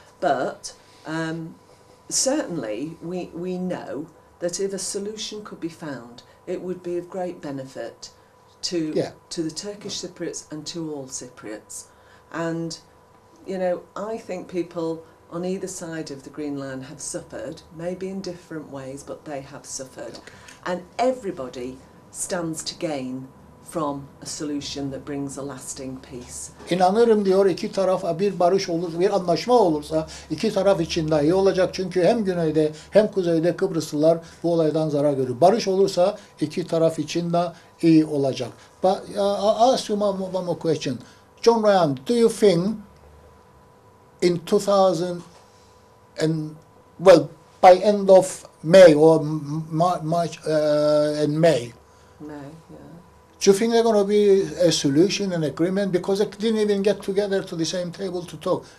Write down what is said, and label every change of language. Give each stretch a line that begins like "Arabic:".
English: But certainly we know that if a solution could be found, it would be of great benefit to the Turkish Cypriots and to all Cypriots. And, you know, I think people on either side of the Green Line have suffered, maybe in different ways, but they have suffered. Okay. And everybody stands to gain from a solution that brings a lasting peace.
Turkish: İnanırım diyor iki taraf bir barış olur, bir anlaşma olursa iki taraf için daha iyi olacak, çünkü hem güneyde hem kuzeyde Kıbrıslılar bu olaydan zarar görür. Barış olursa iki taraf için de iyi olacak.
English: But I'll ask you one more question. John Ryan, do you think in 2000 and well by end of May or March in May? Do you think there's going to be a solution, an agreement? Because they didn't even get together to the same table to talk.